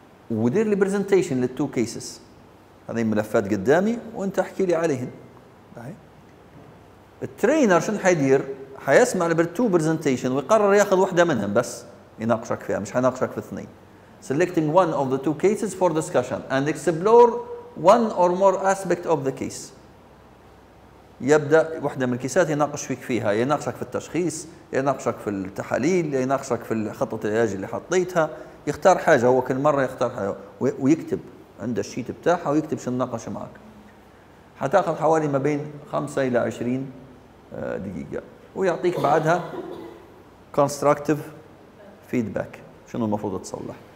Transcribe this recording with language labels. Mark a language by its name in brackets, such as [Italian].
[Arabic] ودير لي برزنتيشن للتو كيسز. هذه ملفات قدامي وانت احكي لي عليهن. الترينر شنو حيدير؟ حيسمع التو برزنتيشن ويقرر ياخذ وحده منهم بس يناقشك فيها، مش حيناقشك في اثنين. [English] Selecting one of the two cases for discussion and explore one or more aspect of the case. [Arabic] يبدأ وحده من الكيسات يناقش فيك فيها، يناقشك في التشخيص، يناقشك في التحاليل، يناقشك في خطة العلاج اللي حطيتها، يختار حاجة هو كل مرة يختار حاجة ويكتب عنده الشيت بتاعها ويكتب شنو ناقش معك. حتاخذ حوالي ما بين 5 إلى 20 دقيقة، ويعطيك بعدها constructive feedback، شنو المفروض تصلح.